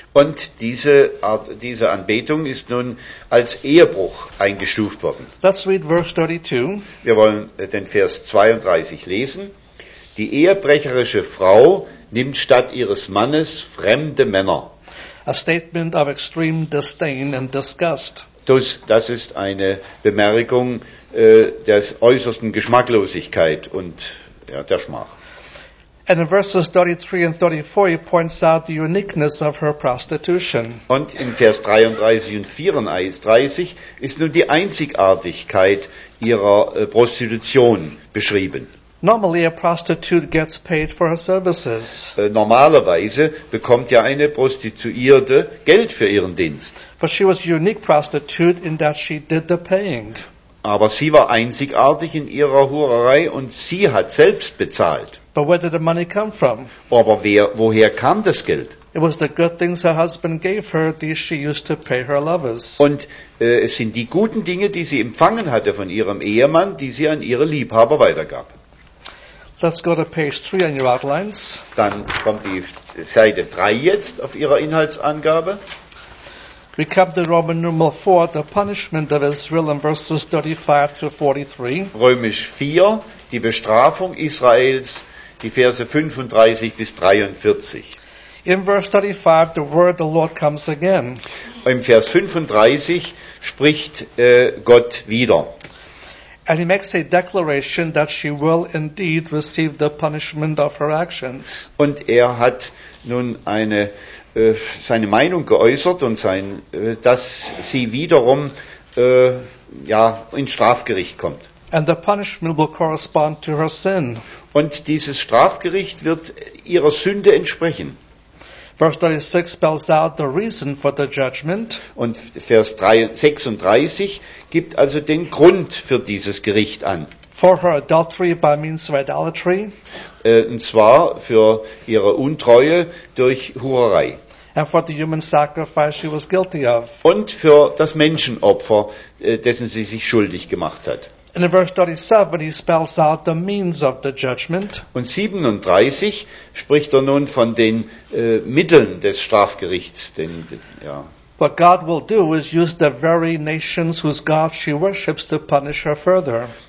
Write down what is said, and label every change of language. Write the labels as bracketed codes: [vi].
[de] Und diese Anbetung ist nun als Ehebruch eingestuft worden. [en] Let's read verse 32. [de] Wir wollen den Vers 32 lesen. Die ehebrecherische Frau nimmt statt ihres Mannes fremde Männer. [en] A statement of extreme disdain and disgust. [de] Das ist eine Bemerkung der äußersten Geschmacklosigkeit und ja, der Schmach. [en] And in verses 33 and 34, he points out the uniqueness of her prostitution. [de] Und in Vers 33 und 34 ist nun die Einzigartigkeit ihrer Prostitution beschrieben. [en] Normally, a prostitute gets paid for her services. [de] Normalerweise bekommt ja eine Prostituierte Geld für ihren Dienst. [en] But she was a unique prostitute in that she did the paying. [de] Aber sie war einzigartig in ihrer Hurerei und sie hat selbst bezahlt. [en] But where did the money come from? [de] Aber woher kam das Geld? [en] It was the good things her husband gave her, these she used to pay her lovers. [de] Und es sind die guten Dinge, die sie empfangen hatte von ihrem Ehemann, die sie an ihre Liebhaber weitergab. [en] Let's go to page 3 on your outlines. [de] Dann kommt die Seite 3 jetzt auf ihrer Inhaltsangabe. [en] We come to Roman numeral 4, the punishment of Israel in verses 35 to 43. [de] Römisch 4, die Bestrafung Israels, die Verse 35 bis 43. [en] In verse 35, the word the Lord comes again. [de] Im Vers 35 spricht Gott wieder. [en] And he makes a declaration that she will indeed receive the punishment of her actions. [de] Und hat nun seine Meinung geäußert und dass sie wiederum ins Strafgericht kommt. [en] And the punishment will correspond to her sin. [de] Und dieses Strafgericht wird ihrer Sünde entsprechen. [en] Verse 36 spells out the reason for the judgment. [de] Und Vers 36 gibt also den Grund für dieses Gericht an. [en] For her adultery by means of idolatry. [de] Und zwar für ihre Untreue durch Hurerei. [en] And for the human sacrifice she was guilty of. [de] Und für das Menschenopfer, dessen sie sich schuldig gemacht hat. [en] And in verse 37 he spells out the means of the judgment. [de] Und 37 spricht nun von den Mitteln des Strafgerichts. [en] What God will do is use the very nations whose God she worships to punish her further.